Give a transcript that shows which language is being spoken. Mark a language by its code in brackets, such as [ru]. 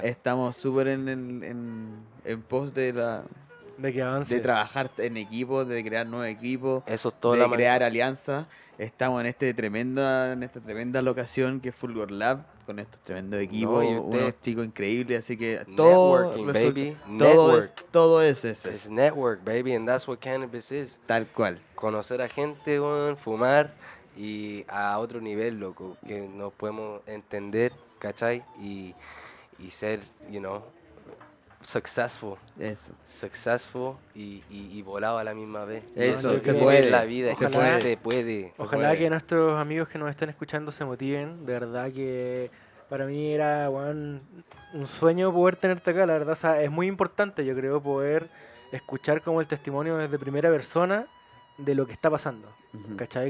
[es] Estamos súper en pos de la... De que avance. De trabajar en equipo, de crear nuevos equipos. Eso es todo. De crear alianzas. Estamos en esta tremenda locación que es Fulgor Lab. Con estos tremendos equipos, no, unos chicos increíbles, así que todo. Networking, resulta, baby. Todo network. Todo es ese. [en] It's network, baby, and that's what cannabis is. [es] Tal cual. Conocer a gente, bueno, fumar y a otro nivel, loco, que nos podemos entender, ¿cachai? Y ser, [en] you know, successful. [es] Eso. Successful y volado a la misma vez. Eso, no, se puede. La vida. Se puede. Ojalá que nuestros amigos que nos estén escuchando se motiven. De verdad que para mí era, bueno, un sueño poder tenerte acá. La verdad, o sea, es muy importante, yo creo, poder escuchar como el testimonio desde primera persona de lo que está pasando. Uh-huh. ¿Cachai?